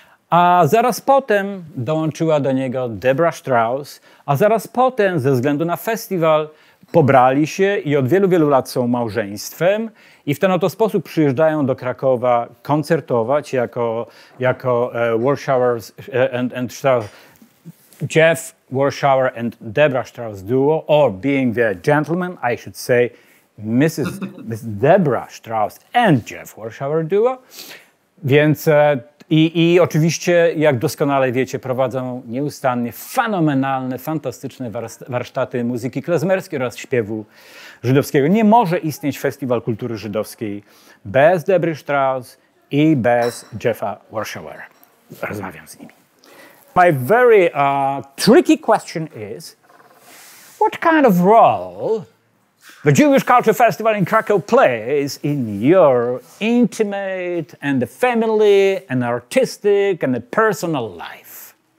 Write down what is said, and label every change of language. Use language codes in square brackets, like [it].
[pl] a zaraz potem dołączyła do niego Debra Strauss, a zaraz potem ze względu na festiwal pobrali się i od wielu, wielu lat są małżeństwem i w ten oto sposób przyjeżdżają do Krakowa koncertować jako Warshauer and Strauss. [en] Jeff Warshauer and Debra Strauss duo, or being the gentleman, I should say, Miss Debra Strauss and Jeff Warshauer duo. [pl] Więc i oczywiście, jak doskonale wiecie, prowadzą nieustannie fenomenalne, fantastyczne warsztaty muzyki klezmerskiej oraz śpiewu żydowskiego. Nie może istnieć Festiwal Kultury Żydowskiej bez Debry Strauss i bez Jeffa Warshauer. Rozmawiam z nimi. [en] My very tricky question is, what kind of role the Jewish Culture Festival in Krakow plays in your intimate and family and artistic and personal life?